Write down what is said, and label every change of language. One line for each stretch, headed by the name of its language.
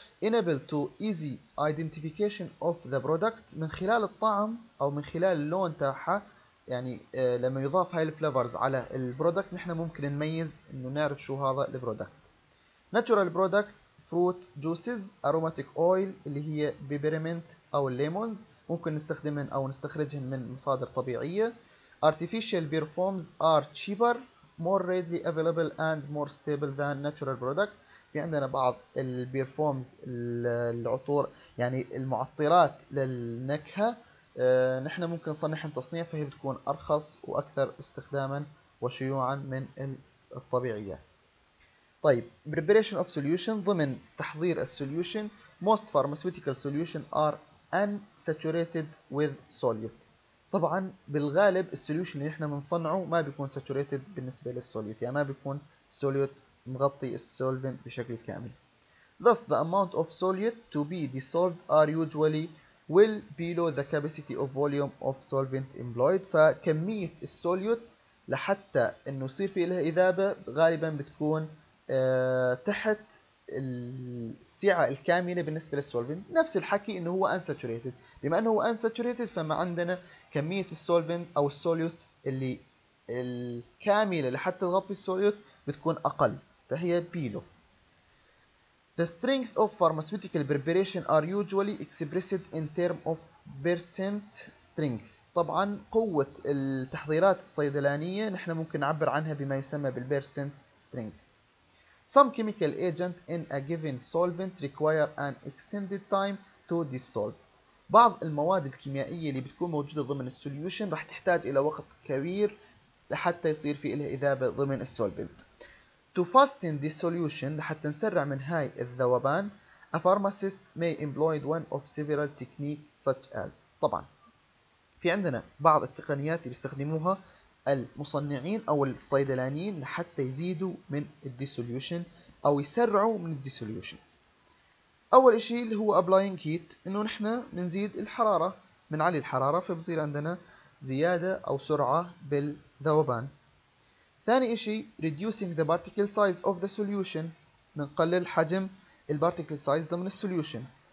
English: Enable to easy identification of the product
Arabic: من خلال الطعم أو من خلال اللون تاعها، يعني لما يضاف هاي الفليفرز على البرودكت نحن ممكن نميز إنه نعرف شو هذا البرودكت.
English: Natural product fruit juices aromatic oil
Arabic: اللي هي بيبرمنت أو الليمونز ممكن نستخدمهن أو نستخرجهن من مصادر طبيعية.
English: Artificial perfumes are cheaper more readily available and more stable than natural product.
Arabic: في عندنا بعض البيرفومز العطور يعني المعطرات للنكهة نحن ممكن نصنعهم تصنيع فهي بتكون أرخص وأكثر استخداما وشيوعا من الطبيعية.
English: طيب preparation of solution
Arabic: ضمن تحضير السوليوشن،
English: most pharmaceutical solution are unsaturated with solute.
Arabic: طبعا بالغالب السوليوشن اللي احنا بنصنعه ما بيكون ساتوريتد بالنسبة للسوليوت، يعني ما بيكون سوليوت مغطي السولفنت بشكل كامل.
English: Thus the amount of solute to be dissolved are usually well below the capacity of volume of solvent employed.
Arabic: فكمية السوليوت لحتى انه يصير في لها اذابة غالبا بتكون تحت السعة الكاملة بالنسبة للسولفنت. نفس الحكي انه هو unsaturated، بما انه هو unsaturated فما عندنا كمية السولفنت او السوليوت اللي الكاملة لحتى تغطي السوليوت بتكون اقل فهي بيلو.
English: The strength of pharmaceutical preparation are usually expressed in term of percent strength.
Arabic: طبعا قوة التحضيرات الصيدلانية نحن ممكن نعبر عنها بما يسمى بالبيرسنت سترينث.
English: Some chemical agent in a given solvent require an extended time to dissolve.
Arabic: بعض المواد الكيميائية اللي بتكون موجودة ضمن السوليوشن راح تحتاج إلى وقت كبير لحتى يصير في إلها إذابة ضمن السولفنت.
English: To fasten the solution
Arabic: لحتى نسرع من هاي الذوبان,
English: a pharmacist may employ one of several techniques such as.
Arabic: طبعا في عندنا بعض التقنيات اللي بيستخدموها المصنعين أو الصيدلانيين لحتى يزيدوا من الديسوليوشن أو يسرعوا من الديسوليوشن. أول إشي اللي هو
English: applying heat,
Arabic: إنه نحنا بنزيد الحرارة, بنعلي الحرارة فبصير عندنا زيادة أو سرعة بالذوبان. ثاني إشي
English: reducing the particle size of the solution,
Arabic: بنقلل حجم ال particle size ضمن السوليوشن.